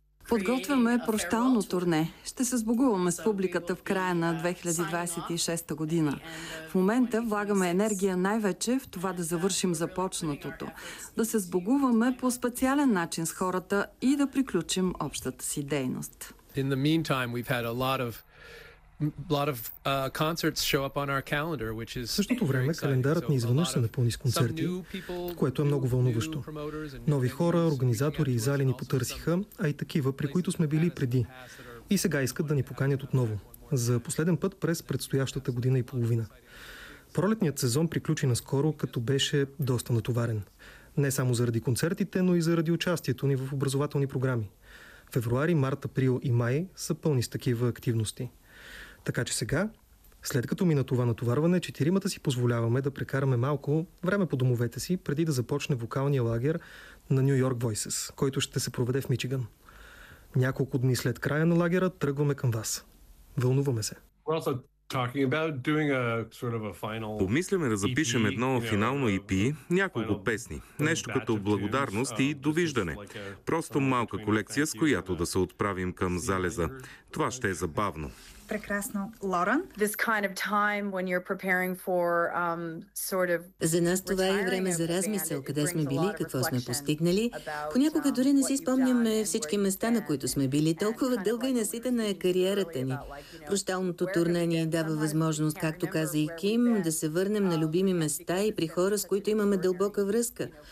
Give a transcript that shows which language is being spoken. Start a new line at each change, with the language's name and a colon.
Bulgarian: Подготвяме прощално турне. Ще се сбогуваме с публиката в края на 2026 година. В момента влагаме енергия най-вече в това да завършим започнатото. Да се сбогуваме по специален начин с хората и да приключим общата си дейност.
English: In the meantime, we've had a lot of concerts show up on our calendar, which is...
Bulgarian: В същото време календарът ни изведнъж се напълни с концерти, което е много вълнуващо. Нови хора, организатори и зали ни потърсиха, а и такива, при които сме били преди. И сега искат да ни поканят отново. За последен път през предстоящата година и половина. Пролетният сезон приключи наскоро, като беше доста натоварен. Не само заради концертите, но и заради участието ни в образователни програми. Февруари, март, април и май са пълни с такива активности. Така че сега, след като мина това натоварване, четиримата си позволяваме да прекараме малко време по домовете си, преди да започне вокалния лагер на New York Voices, който ще се проведе в Мичиган. Няколко дни след края на лагера тръгваме към вас. Вълнуваме се. Помисляме да запишем едно финално EP, няколко песни, нещо като благодарност и довиждане. Просто малка колекция, с която да се отправим към залеза. Това ще е забавно. Прекрасно. Лорен?
English: This kind of time when you're preparing for sort of...
Bulgarian: За нас това е време за размисъл, къде сме били, какво сме постигнали. Понякога дори не си спомняме всички места, на които сме били. Толкова дълга и наситена е кариерата ни. Прощалното турне ни дава възможност, както каза и Ким, да се върнем на любими места и при хора, с които имаме дълбока връзка.